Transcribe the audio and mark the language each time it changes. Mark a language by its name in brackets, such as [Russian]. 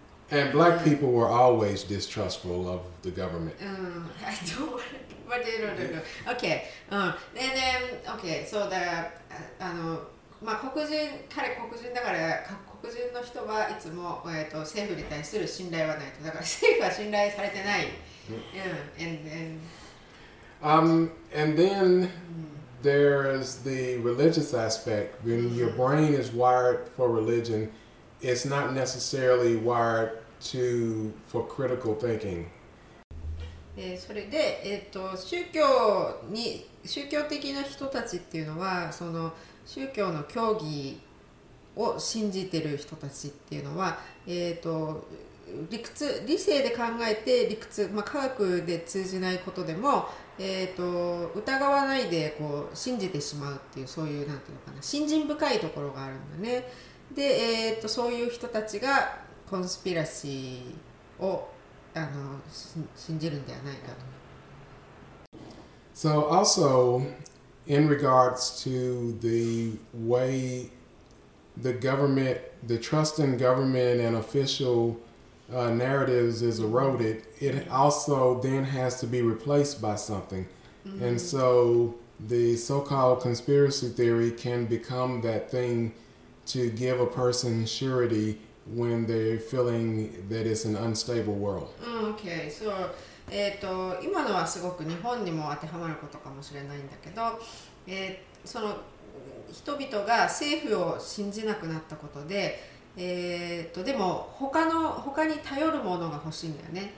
[English] and black people were always distrustful of the government. I don't want to know. Okay. And then, okay. So the, [Japanese] まあ、黒人だから黒人の人はいつも、政府に対する信頼はないと。だから政府は信頼されてない。 [English] And then, And then there's the religious aspect. When your brain is wired for religion, it's not necessarily wired for critical thinking. [Japanese] それで、宗教的な人たちっていうのは、その宗教の教義を信じてる人たちっていうのは、理性で考えて理屈、まあ、科学で通じないことでも疑わないでこう信じてしまうっていう、そういうなんていうのかな、信心深いところがあるんだね。で、そういう人たちがコンスピラシーを信じるんではないかと。 [English] So also in regards to the way the government, the trust in government and officialnarratives is eroded, it also then has to be replaced by something. And so the so-called conspiracy theory can become that thing to give a person surety when they're feeling that it's an unstable world. Okay, so, [Japanese] 今のはすごく日本にも当てはまることかもしれないんだけど、その人々が政府を信じなくなったことで、でも他に頼るものが欲しいんだよね。